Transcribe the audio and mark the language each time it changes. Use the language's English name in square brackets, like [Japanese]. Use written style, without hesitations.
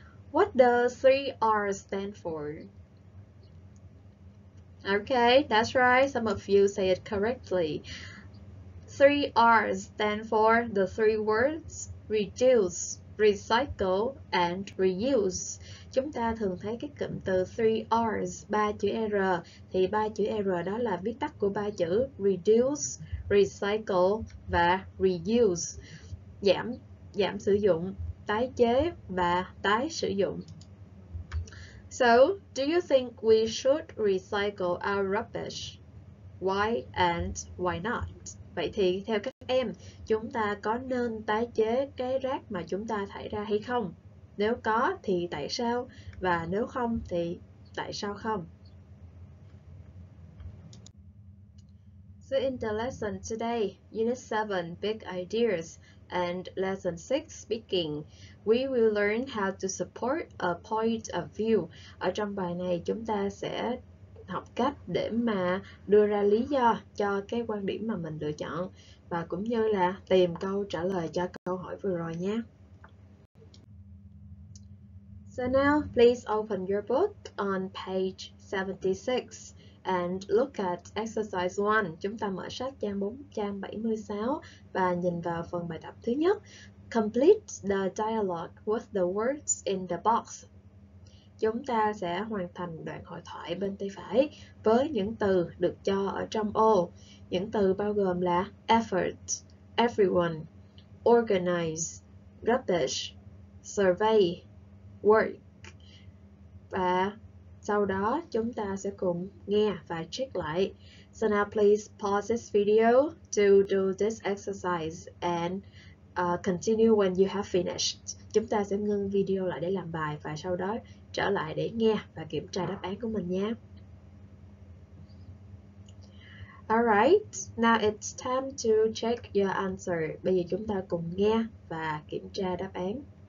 [English] What does 3R stand for? Okay, that's right, some of you say it correctly. 3R stand for the three words, reduce, recycle and reuse. [Vietnamese] Chúng ta thường thấy cái cụm từ 3R, 3 chữ R, thì 3 chữ R đó là viết tắt của 3 chữ reduce, recycle và reuse. Giảm sử dụng, tái chế và tái sử dụng. [English] So, do you think we should recycle our rubbish? Why and why not? [Vietnamese] Vậy thì theo các em, chúng ta có nên tái chế cái rác mà chúng ta thải ra hay không? Nếu có thì tại sao? Và nếu không thì tại sao không? [English] So in the lesson today, Unit 7 Big Ideas and Lesson 6 Speaking, we will learn how to support a point of view. [Vietnamese] Ở trong bài này chúng ta sẽ học cách để mà đưa ra lý do cho cái quan điểm mà mình lựa chọn và cũng như là tìm câu trả lời cho câu hỏi vừa rồi nhé. [English] So now, please open your book on page 76 and look at exercise 1. [Vietnamese] Chúng ta mở sách trang 4, trang 76 và nhìn vào phần bài tập thứ nhất. [English] Complete the dialogue with the words in the box. [Vietnamese] Chúng ta sẽ hoàn thành đoạn hội thoại bên tay phải với những từ được cho ở trong ô. Những từ bao gồm là effort, everyone, organize, rubbish, survey, work. Và sau đó chúng ta sẽ cùng nghe và check lại. [English] So now please pause this video to do this exercise and continue when you have finished. [Vietnamese] Chúng ta sẽ ngưng video lại để làm bài và sau đó trở lại để nghe và kiểm tra đáp án của mình nha. [English] Alright, now it's time to check your answer. [Vietnamese] Bây giờ chúng ta cùng nghe và kiểm tra đáp án.